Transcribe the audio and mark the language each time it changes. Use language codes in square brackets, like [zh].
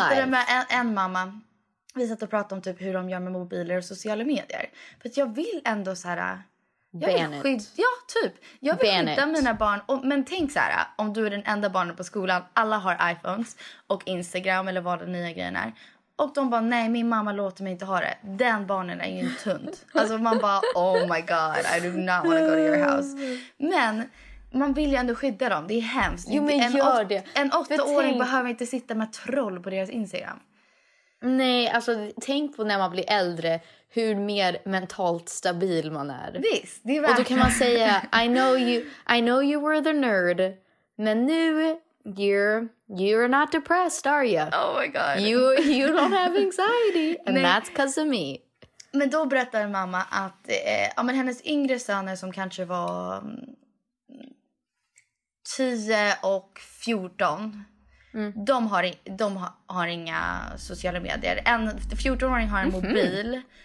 [sv] Jag pratade med en mamma. Vi satt och pratade om typ hur de gör med mobiler och sociala medier. För att jag vill ändå så här... Jag vill skydda mina barn. Men tänk så här, om du är den enda barnen på skolan, alla har iPhones och Instagram eller vad den nya grejen är. Och de bara, nej, min mamma låter mig inte ha det. Den barnen är ju en tunt. Alltså man bara, [en] oh my god, I do not want to go to your house. [sv] Men man vill ju ändå skydda dem, det är hemskt. Jo, men gör det. En 8-åring behöver inte sitta med troll på deras Instagram. Nej, alltså tänk på när man blir äldre, hur mer mentalt stabil man är. Visst, det är värt. Och då kan man säga, [en] I know you were the nerd, [sv] men nu, [en] you're not depressed, are you? Oh my god. You don't have anxiety, and nej. That's 'cause of me. [sv] Men då berättade mamma att men hennes yngre söner som kanske var 10 och 14- mm. De har inga sociala medier. En 14-åring har en mobil.